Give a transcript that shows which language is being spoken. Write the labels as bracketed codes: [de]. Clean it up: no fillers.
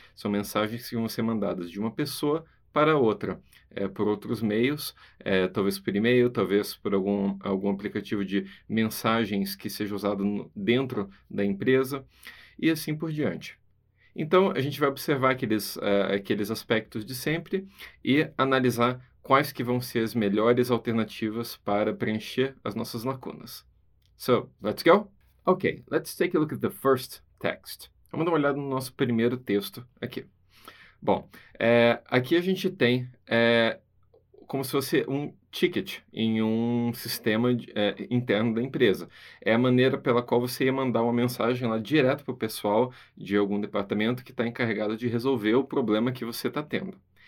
[pt] São mensagens que vão ser mandadas de uma pessoa para outra, por outros meios, talvez por e-mail, talvez por algum aplicativo de mensagens que seja usado no, dentro da empresa, e assim por diante. Então, a gente vai observar aqueles aspectos de sempre e analisar quais que vão ser as melhores alternativas para preencher as nossas lacunas. [en] So, let's go? Okay, let's take a look at the first text. [pt] Vamos dar uma olhada no nosso primeiro texto aqui. Bom, aqui a gente tem como se fosse um ticket em um sistema interno da empresa. É a maneira pela qual você ia mandar uma mensagem lá direto para o pessoal de algum departamento que está encarregado de resolver o problema que você está tendo.